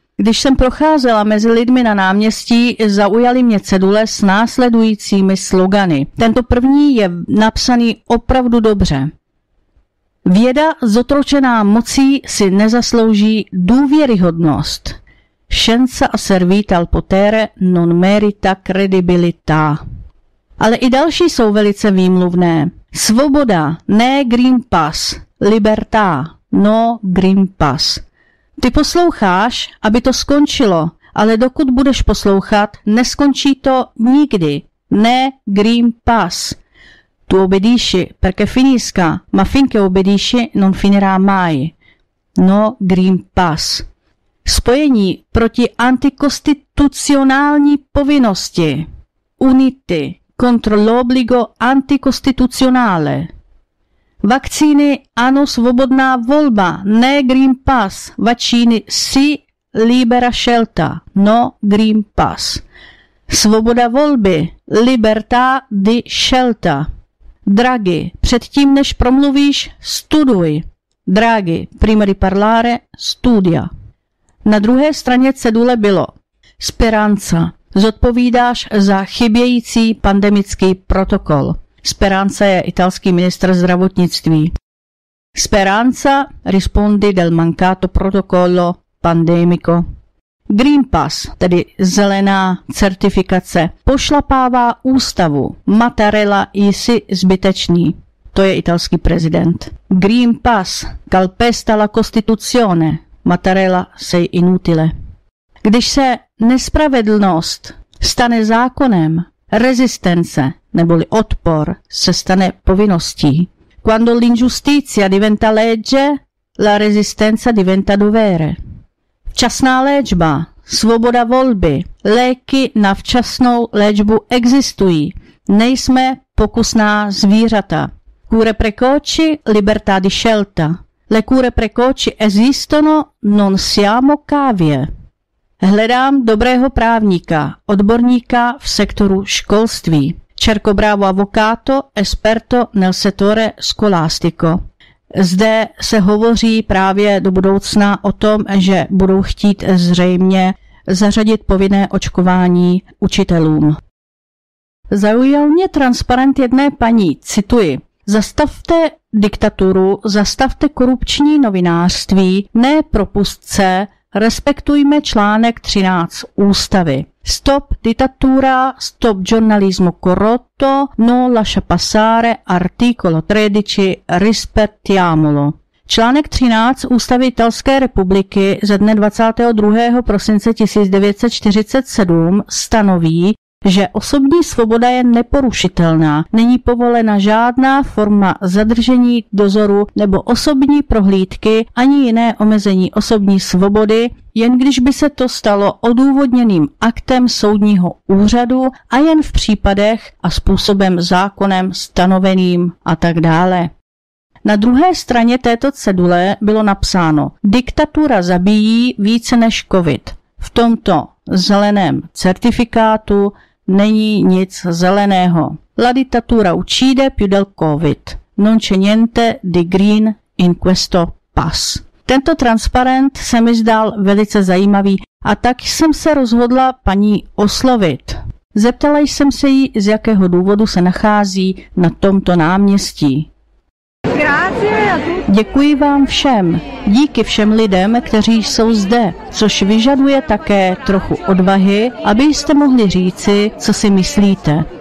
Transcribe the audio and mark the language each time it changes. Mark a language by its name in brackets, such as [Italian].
[Czech] Když jsem procházela mezi lidmi na náměstí, zaujaly mě cedule s následujícími slogany. Tento první je napsaný opravdu dobře. Věda zotročená mocí si nezaslouží důvěryhodnost. [Italian] Scienza a servita al potere non merita credibilità. [Czech] Ale i další jsou velice výmluvné. Svoboda, ne Green Pass. [Italian] Libertá, no Green Pass. [Czech] Ty posloucháš, aby to skončilo, ale dokud budeš poslouchat, neskončí to nikdy. Ne Green Pass. [Italian] Tu obedíši, perché finisca, ma finché obedíši, non finirà mai. No Green Pass. [Czech] Spojení proti antikonstitucionální povinnosti. [English] Unity. [Italian] Contro l'obbligo anticostituzionale. [Czech] Vakcíny ano, svobodná volba, ne Green Pass. [Italian] Vaccini sì, libera scelta, no Green Pass. [Czech] Svoboda volby, [Italian] libertà di scelta. [Czech] Draghi, předtím než promluvíš, studuj. [Italian] Draghi, prima di parlare, studia. [Czech] Na druhé straně cedule bylo Speranza. Zodpovídáš za chybějící pandemický protokol. Speranza je italský ministr zdravotnictví. [Italian] Speranza rispondi del mancato protocollo pandemico. [Czech] Green Pass, tedy zelená certifikace, pošlapává ústavu. Mattarella jsi zbytečný. To je italský prezident. [Italian] Green Pass calpesta la costituzione. Mattarella sei inutile. [Czech] Když se nespravedlnost stane zákonem, rezistence neboli odpor se stane povinností. [Italian] Quando l'ingiustizia diventa legge, la resistenza diventa dovere. [Czech] Včasná léčba, svoboda volby, léky na včasnou léčbu existují. Nejsme pokusná zvířata. [Italian] Cure precoci, libertà di scelta. Le cure precoci esistono, non siamo cavie. [Czech] Hledám dobrého právníka, odborníka v sektoru školství. [Italian] Cerco bravo avvocato, esperto nel settore scolastico. [Czech] Zde se hovoří právě do budoucna o tom, že budou chtít zřejmě zařadit povinné očkování učitelům. Zaujal mě transparent jedné paní, cituji. Zastavte diktaturu, zastavte korupční novinářství, ne propustce, respektujme článek 13 ústavy. [Italian] Stop dittatura, stop giornalismo corrotto, no lascia passare articolo 13, rispettiamolo. [Czech] Článek 13 ústavy Italské republiky ze dne 22. prosince 1947 stanoví, že osobní svoboda je neporušitelná, není povolena žádná forma zadržení, dozoru nebo osobní prohlídky ani jiné omezení osobní svobody, jen když by se to stalo odůvodněným aktem soudního úřadu a jen v případech a způsobem zákonem stanoveným a tak dále. Na druhé straně této cedule bylo napsáno: diktatura zabíjí více než covid. V tomto zeleném certifikátu není nic zeleného. [Italian] La dittatura uccide più del covid. Non c'è niente di green in questo pass. [Czech] Tento transparent se mi zdál velice zajímavý a tak jsem se rozhodla paní oslovit. Zeptala jsem se jí, z jakého důvodu se nachází na tomto náměstí. Děkuji vám všem. Díky všem lidem, kteří jsou zde, což vyžaduje také trochu odvahy, abyste mohli říci, co si myslíte.